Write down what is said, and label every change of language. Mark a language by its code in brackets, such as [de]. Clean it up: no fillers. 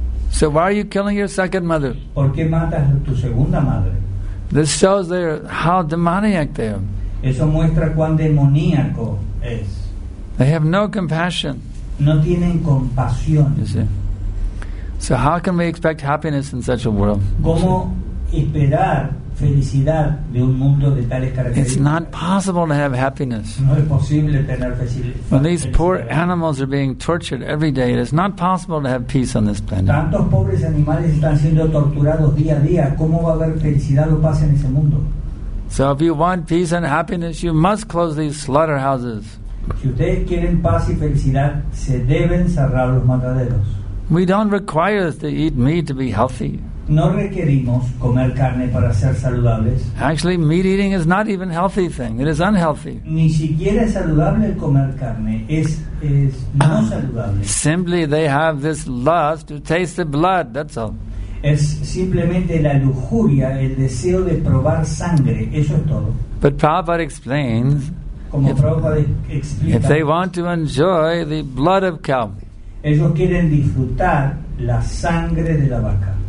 [en] So why are you killing your second mother? [es] ¿Por qué matas a tu segunda madre? [en] This shows there how demoniac they are. [es] Eso muestra cuán demoníaco es. [en] They have no compassion. [es] No tienen compasión. [en] You see? So how can we expect happiness in such a world? [es] ¿Cómo esperar felicidad de un mundo de tales características? [en] It's not possible to have happiness. [es] No es posible tener felicidad. [en] When these poor animals are being tortured every day, it is not possible to have peace on this planet. [es] Tantos pobres animales están siendo torturados día a día. ¿Cómo va a haber felicidad o paz en ese mundo? [en] So if you want peace and happiness, you must close these slaughterhouses. [es] Si ustedes quieren paz y felicidad, se deben cerrar los mataderos. [en] We don't require us to eat meat to be healthy. [es] No requerimos comer carne para ser saludables. [en] Actually, meat eating is not even a healthy thing. It is unhealthy. [es] Ni siquiera es saludable comer carne. Es no saludable. [en] Simply, they have this lust to taste the blood. That's all. [es] Es simplemente la lujuria, el deseo de probar sangre. Eso es todo. [en] But Prabhupada explains. [es] Como Prabhupada explica. [en] If they want to enjoy the blood of cow. [es] Ellos quieren disfrutar la sangre de la vaca.